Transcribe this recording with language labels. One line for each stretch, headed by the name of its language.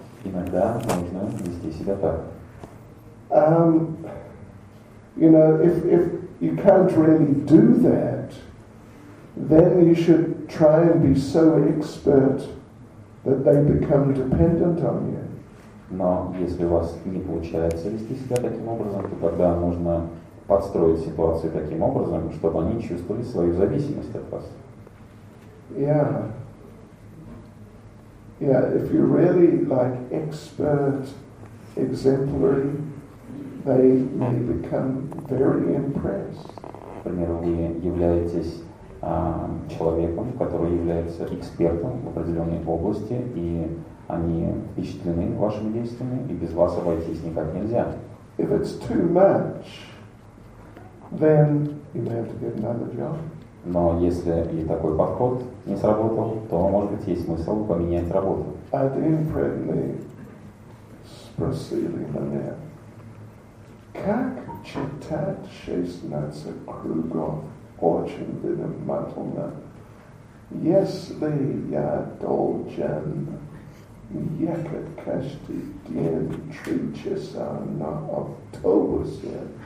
Russian: Иногда нужно вести себя так.
English: You know, if you can't really do that, then you should try and be so expert that they become dependent on you.
Russian: Но если у вас не получается вести себя таким образом, то тогда нужно подстроить ситуацию таким образом, чтобы они чувствовали свою зависимость от вас.
English: Yeah. Yeah, if you're really like expert, exemplary, they may become very impressed.
Russian: Например, вы являетесь человеком, который является экспертом в определенной области, и они впечатлены вашими действиями, и без вас обойтись никак нельзя.
English: If it's too much, then you may have to get another job.
Russian: Но если и такой подход не сработал, то, может быть, есть смысл поменять работу. Один преданный спросил меня, как читать 16 кругов очень внимательно, если я должен ехать каждый день 3 часа на автобусе,